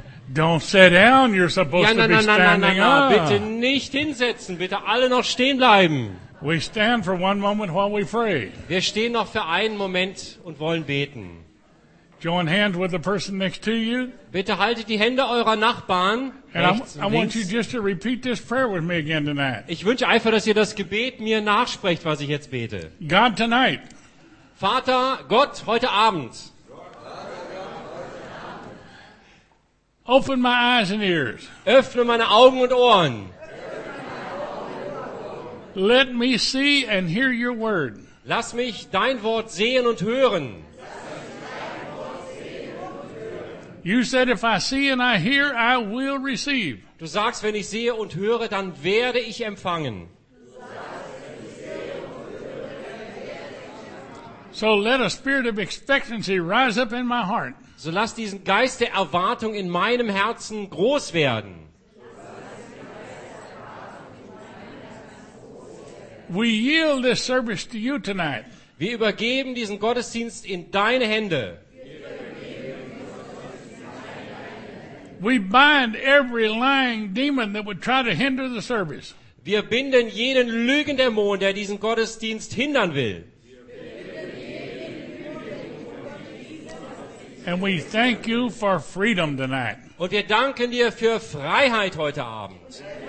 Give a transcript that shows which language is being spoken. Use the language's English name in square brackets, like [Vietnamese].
[English] Don't sit down, you're supposed to be standing up. [German] Bitte nicht hinsetzen, bitte alle noch stehen bleiben. [English] We stand for one moment while we pray. [German] Wir stehen noch für einen Moment und wollen beten. [English] Join hands with the person next to you. [German] Bitte haltet die Hände eurer Nachbarn. [English] And I want you just to repeat this prayer with me again tonight. [German] Ich wünsche einfach, dass ihr das Gebet mir nachsprecht, was ich jetzt bete. [English] God tonight. [German] Vater Gott heute Abend. [English] Open my eyes and ears. [German] Öffne meine Augen und Ohren. [English] Let me see and hear your word. [German] Lass mich dein Wort sehen und hören. [English] You said if I see and I hear, I will receive. [German] Du sagst, wenn ich sehe und höre, dann werde ich empfangen. [English] So let a spirit of expectancy rise up in my heart. [German] So lass diesen Geist der Erwartung in meinem Herzen groß werden. [English] We yield this service to you tonight. [German] Wir übergeben diesen Gottesdienst in deine Hände. [English] We bind every lying demon that would try to hinder the service. [German] Wir binden jeden Lügendämon, der diesen Gottesdienst hindern will. [English] And we thank you for freedom tonight. [German] Und wir danken dir für Freiheit heute Abend.